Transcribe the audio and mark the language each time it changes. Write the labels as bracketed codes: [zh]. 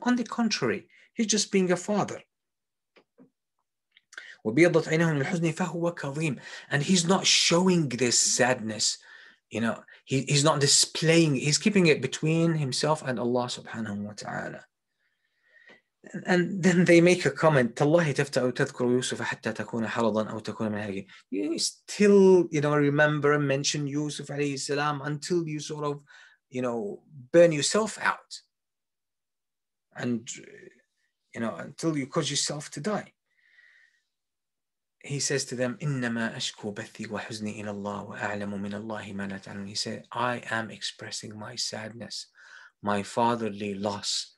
[en] On the contrary, he's just being a father. [ar] وَبِيَضَّتْ عَيْنَهُ مِنَ الْحُزْنِ فَهُوَ كَظِيمٌ. [en] And he's not showing this sadness, you know, He's not displaying, he's keeping it between himself and Allah subhanahu wa ta'ala. And then they make a comment, [ar] تَاللَّهِ تَفْتَأُ تَذْكُرُ يُوسُفَ حَتَّى تَكُونَ حَرَضًا أَوْ تَكُونَ مِنْ هَلَكِ. [en] You still, you know, remember and mention Yusuf alayhi salam until you sort of, you know, burn yourself out. And, you know, until you cause yourself to die. He says to them, [ar] إِنَّمَا أَشْكُوا بَثِّي وَحُزْنِي إِلَى اللَّهِ وَأَعْلَمُ مِنَ اللَّهِ مَا لَا تَعْلَمُ. [en] He said, I am expressing my sadness, my fatherly loss.